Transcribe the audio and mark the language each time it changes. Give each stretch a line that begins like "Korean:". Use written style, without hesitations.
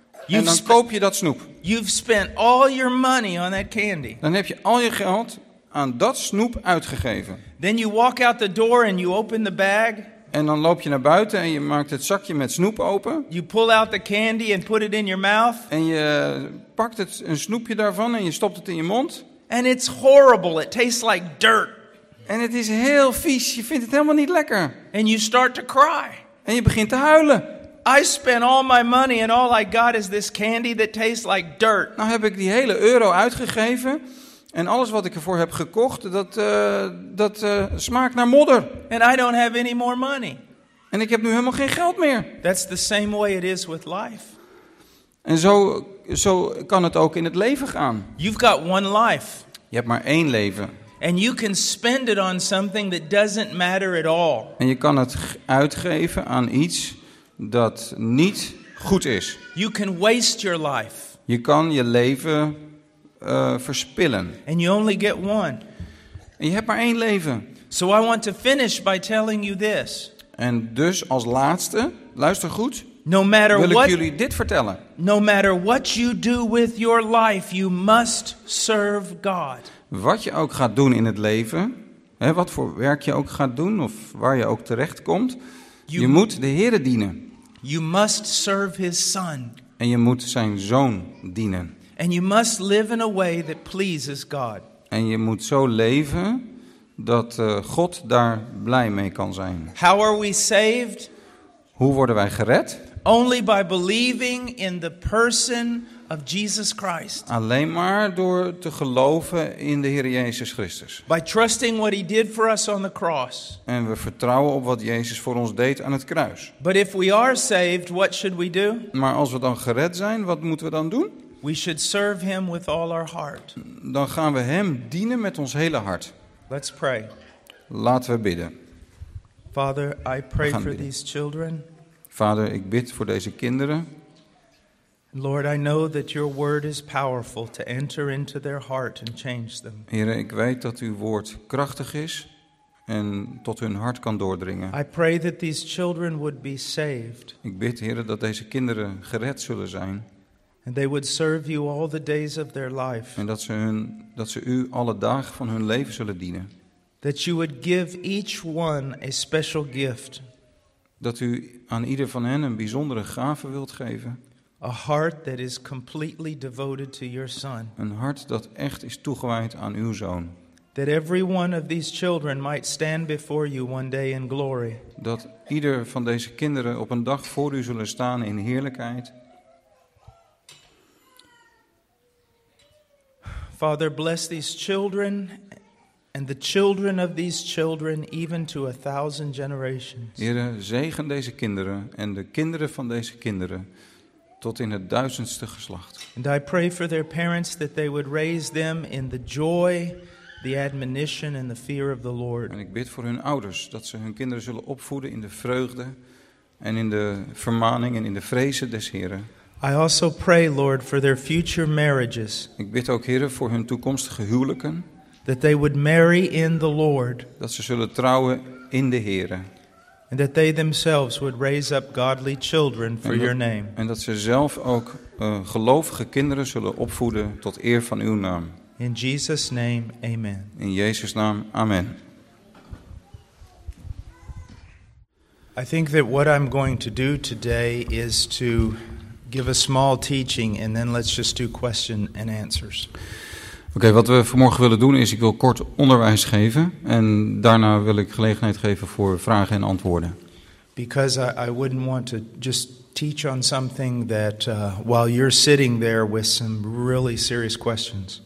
English: You've
Dutch: en dan koop je dat snoep.
English: You've spent all your money on that candy.
Dutch: Dan heb je al je geld aan dat snoep uitgegeven.
English: Then you walk out the door and you open the bag.
Dutch: En dan loop je naar buiten en je maakt het zakje met snoep open.
English: You pull out the candy and put it in your mouth.
Dutch: En je pakt het een snoepje daarvan en je stopt het in je mond.
English: And it's horrible. It tastes like dirt.
Dutch: En het is heel vies. Je vindt het helemaal niet lekker.
English: And you start to cry.
Dutch: En je begint te huilen.
English: I spent all my money and all I got is this candy that tastes like dirt.
Dutch: Nou heb ik die hele euro uitgegeven. En alles wat ik ervoor heb gekocht, dat smaakt naar modder.
English: And I don't have any more money.
Dutch: En ik heb nu helemaal geen geld meer.
English: That's the same way it is with life.
Dutch: En zo kan het ook in het leven gaan.
English: You've got one life.
Dutch: Je hebt maar één leven.
English: And you can spend it on something that doesn't matter at all.
Dutch: En je kan het uitgeven aan iets dat niet goed is.
English: You can waste your life.
Dutch: Je kan je leven verspillen.
English: And you only get one.
Dutch: En je hebt maar één leven.
English: So I want to finish by telling you this.
Dutch: En dus als laatste, luister goed.
English: No matter
Dutch: wil ik
English: what,
Dutch: jullie dit vertellen.
English: No matter what you do with your life, you must serve God.
Dutch: Wat je ook gaat doen in het leven, hè, wat voor werk je ook gaat doen of waar je ook terecht komt, je moet de Heere dienen.
English: You must serve his son.
Dutch: En je moet zijn zoon dienen.
English: And you must live in a way that pleases God.
Dutch: En je moet zo leven dat God daar blij mee kan zijn.
English: How are we saved?
Dutch: Hoe worden wij gered?
English: Only by believing in the person of Jesus Christ.
Dutch: Alleen maar door te geloven in de Heer Jezus Christus.
English: By trusting what he did for us on the cross.
Dutch: En we vertrouwen op wat Jezus voor ons deed aan het kruis.
English: But if we are saved, what should we do?
Dutch: Maar als we dan gered zijn, wat moeten we dan doen?
English: We should serve him with all our heart.
Dutch: Dan gaan we hem dienen met ons hele hart.
English: Let's pray.
Dutch: Laten we bidden.
English: Father, I pray for these children.
Dutch: Vader, ik bid voor deze kinderen.
English: Lord, I know that your word is powerful to enter into their heart and change them.
Dutch: Heere, ik weet dat uw woord krachtig is en tot hun hart kan doordringen.
English: I pray that these children would be saved.
Dutch: Ik bid, Heere, dat deze kinderen gered zullen zijn.
English: And they would serve you all the days of their life.
Dutch: En dat ze u alle dagen van hun leven zullen dienen.
English: That you would give each one a special gift.
Dutch: Dat u aan ieder van hen een bijzondere gave wilt geven.
English: A heart that is completely devoted to your son.
Dutch: Een hart dat echt is toegewijd aan uw zoon.
English: That every one of these children might stand before you one day in glory.
Dutch: Dat ieder van deze kinderen op een dag voor u zullen staan in heerlijkheid.
English: Father, bless these children and the children of these children even to a thousand generations.
Dutch: Heere, zegen deze kinderen en de kinderen van deze kinderen tot in het duizendste geslacht.
English: And I pray for their parents that they would raise them in the joy, the admonition and the fear of the Lord.
Dutch: En ik bid voor hun ouders dat ze hun kinderen zullen opvoeden in de vreugde en in de vermaning en in de vrezen des Heren.
English: I also pray, Lord, for their future marriages.
Dutch: Ik bid ook, Heere, voor hun toekomstige huwelijken.
English: That they would marry in the Lord.
Dutch: Dat ze zullen trouwen in de Heere.
English: And that they themselves would raise up godly children for your name.
Dutch: En dat ze zelf ook gelovige kinderen zullen opvoeden tot eer van uw naam.
English: In Jesus' name, amen.
Dutch: In Jezus' naam, amen.
English: I think that what I'm going to do today is to give a small teaching and then let's just do question and answers.
Dutch: Oké, wat we vanmorgen willen doen is, ik wil kort onderwijs geven en daarna wil ik gelegenheid geven voor vragen en antwoorden.
English: Because I wouldn't want to just teach on something that while you're sitting there with some really serious questions.